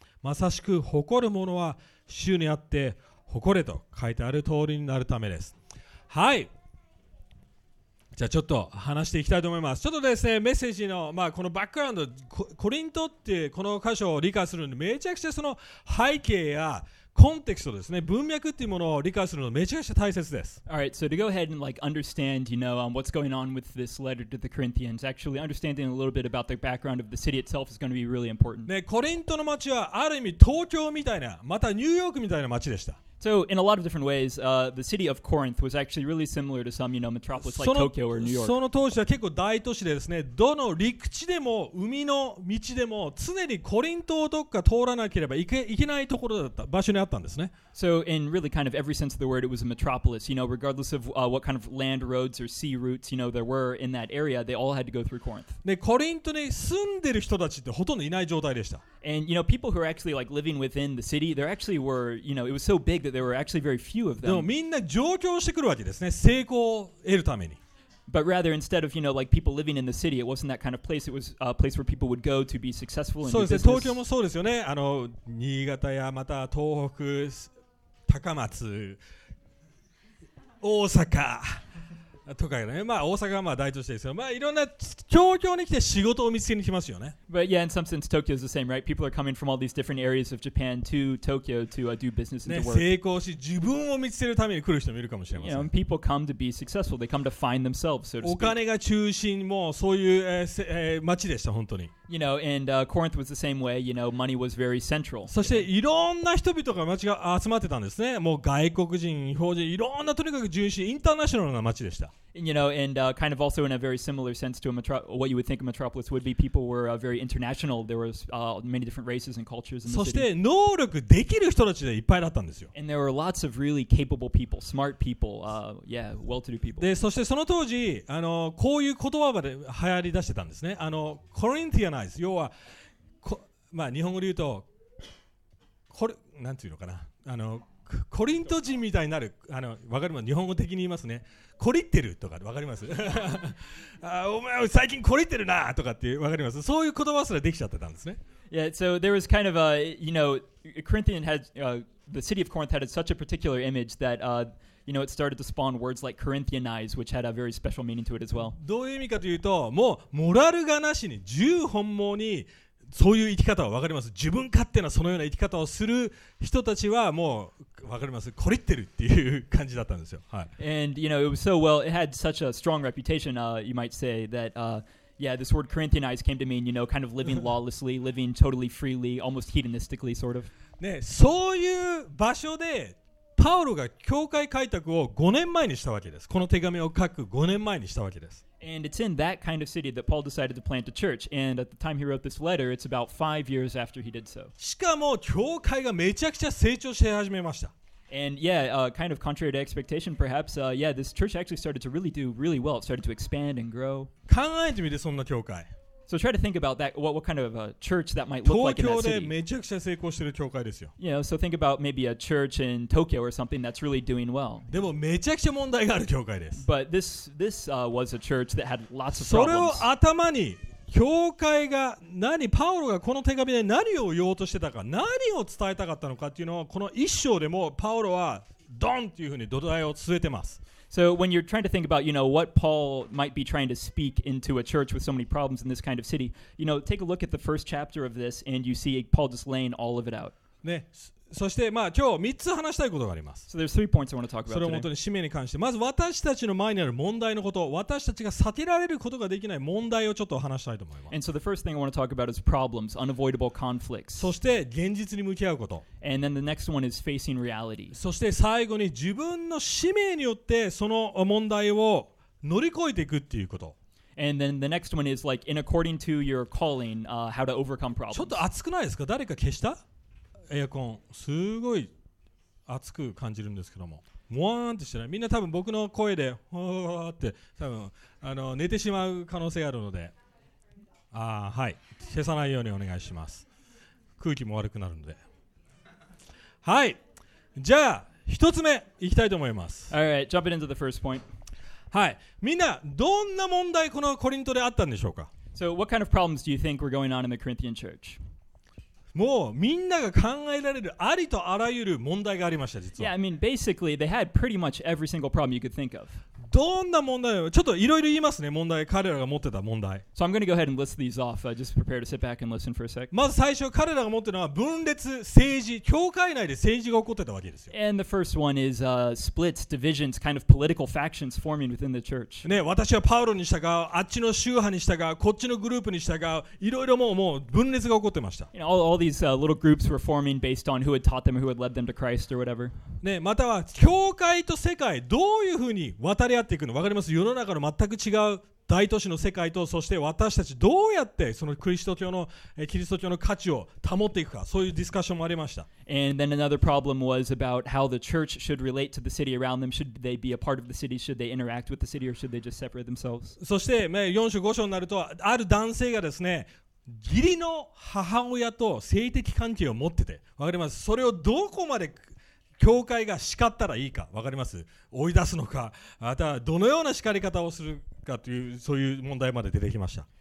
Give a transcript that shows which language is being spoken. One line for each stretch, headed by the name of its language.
Japanese: まさしく誇るものは主にあって誇れと書いてある通りになるためです。はい、じゃあちょっと話していきたいと思います。ちょっとですね、メッセージの、まあ、このバックグラウンド、コリントっていうこの箇所を理解するのにめちゃくちゃその背景やコンテクストですね、文脈っていうものを理解するのめちゃくちゃ大切です。
English: Alright, so to go ahead and like understand, you know, what's going on with this letter to the Corinthians, actually understanding a little bit about the background of the city itself is going to be really important.
Japanese: ね、コリントの街はある意味東京みたいな、またニューヨークみたいな街でした。
English: So in a lot of different ways, the city of Corinth was actually really similar to some, you know, metropolis like Tokyo or New York.
Japanese: その当時は結構大都市でですね、どの陸地でも海の道でも常にコリントをどっか通らなければいけないところだった場所にあったんですね。
English: So in really kind of every sense of the word, it was a metropolis. You know, regardless of what kind of land roads or sea routes, you know, there were in that area, they all had to go through Corinth.
Japanese: で、コリントに住んでる人たちってほとんどいない状態でした。
English: And you know, people who are actually like living within the city, there actually were, you know, it was so big. That there were actually very few of them.
Japanese: でもみんな上京してくるわけですね、成功を得るために。
English: But rather, instead of, you know, like people living in the city, it wasn't that kind of place. It was a place where people would go to be successful and do business.
Japanese: そうですね、東京もそうですよね。あの新潟やまた東北、高松、大阪とかね、まあ大阪はまあ大都市ですよ。まあいろんな東京に来て仕事を見つけに来ますよね。
English: But yeah, in some sense, Tokyo is the same, right? People are coming from all these different areas of Japan to Tokyo to do business and to work.
Japanese: ね、成功し自分を見つけるために来る人もいるかもしれません。
English: You know, people come to be successful. They come to find themselves, so to speak.
Japanese: お金が中心もそういう街でした本当に。
English: You know, and Corinth was the same way. You know, money was very central. そしていろんな人々が街が集まってたんですね。もう外国人、日本人、いろんなとにかく中心、インターナショナルな街でした。 You know, and kind of also in a very similar sense to a what you would think a metropolis would be, people were very international. There was many different races and cultures in the city. And there were lots of really capable people, smart people, well-to-do people.
Japanese: コリント人みたいになる、わかります。日本語的に言いますね。コリってるとか、わかります。お前最近コリってるなとかって、わかります。そういう言葉すらできちゃってたんですね。
English: Yeah, so there was kind of a, you know, Corinthian had, the city of Corinth had such a particular image that, you know, it started to spawn words like Corinthianize, which had a very special meaning to it as well.
Japanese: どういう意味かというと、もうモラルがなしに、自由奔放に、そういう生き方はわかります。自分勝手なそのような生き方をする人たちはもうわかります。懲りってるっていう感じだったんですよ。はい。
English: And you know, it was so well, it had such a strong reputation, you might say, that, yeah, this word Corinthianized came to mean, you know, kind of living lawlessly, living totally freely, almost hedonistically, sort of.
Japanese: ね、そういう場所でパウロが教会開拓を5年前にしたわけです。この手紙を書く5年前にしたわけです。
English: And it's in that kind of city that Paul decided to plant a church. And at the time he wrote this letter, it's about 5 years after he did so.
Japanese: しかも教会がめちゃくちゃ成長し始めました。
English: And yeah, kind of contrary to expectation, perhaps, yeah, this church actually started to really do really well. It started to expand and grow.
Japanese: 考えてみて、そんな教会。
English: So try to think about that, what kind of a church that might look like in that city.
Japanese: 東京でめちゃくちゃ成功してる教会ですよ。
English: You know, so think about maybe a church in Tokyo or something that's really doing well.
Japanese: でもめちゃくちゃ問題がある教会です。
English: But this was a church that had lots of problems.
Japanese: それを頭に、教会が何、パウロがこの手紙で何を言おうとしてたか、何を伝えたかったのかっていうのを、この一章でもパウロはドンっていうふうに土台を据えてます。
English: So when you're trying to think about, you know, what Paul might be trying to speak into a church with so many problems in this kind of city, you know, take a look at the first chapter of this and you see Paul just laying all of it out.
Japanese: ね、そしてまあ今日3つ話したいことがあります。
English: So there's three points I want to talk about today.
Japanese: それを元に使命に関して、まず私たちの前にある問題のこと、私たちが避けられることができない問題をちょっと話したいと思います。
English: And so the first thing I want to talk about is problems, unavoidable conflicts.
Japanese: そして現実に向き合うこと。
English: And then the next one is facing reality.
Japanese: そして最後に自分の使命によってその問題を乗り越えていくっていうこと。
English: And then the next one is like in according to your calling, how to overcome problems.
Japanese: ちょっと熱くないですか？誰か消した？エアコンすごい熱く感じるんですけども、モワーンってしてない。みんな多分僕の声でホーって多分寝てしまう可能性があるので、ああはい、消さないようにお願いします。空気も悪くなるので、はい、じゃあ一つ目いきたいと思います。
English: Alright, jump into the first point.
Japanese: はい、みんなどんな問題このコリントであったんでしょうか。
English: So what kind of problems do you think were going on in the Corinthian church?
Japanese: もうみんなが考えられるありとあらゆる問題がありました実は。
English: Yeah, I mean, basically, they had pretty much every single problem you could think of.
Japanese: どんな問題？ちょっといろいろ言いますね、問題、彼らが持ってた問題。
English: So I'm going to go ahead and list these off. Just prepare to sit back and listen for a sec.
Japanese: まず最初、彼らが持ってるのは分裂、政治、教会内で政治が起こってたわけですよ。
English: And the first one is splits, divisions, kind of political factions forming within the church.
Japanese: ね、私はパウロに従う、あっちの宗派に従う、こっちのグループに従う、いろいろもう分裂が起こってました。
English: You know, all these little groups were forming based on who had taught them, who had led them to Christ or whatever.
Japanese: ね、または教会と世界どういうふうに渡り合っていくの、わかります？世の中の全く違う大都市の世界と、そして私たちどうやってそのクリスト教の、キリスト教の価値を保っていくか、そういうディスカッションもありました。
English: And then another problem was about how the church should relate to the city around them. Should they be a part of the city? Should they interact with the city? Or should they just separate themselves?
Japanese: そして、まあ、4章5章になると、ある男性がですね、義理の母親と性的関係を持ってて、わかります？それをどこまで教会が叱ったらいいか、わかります？追い出すのか、またどのような叱り方をするかという、そういう問題まで出てきました。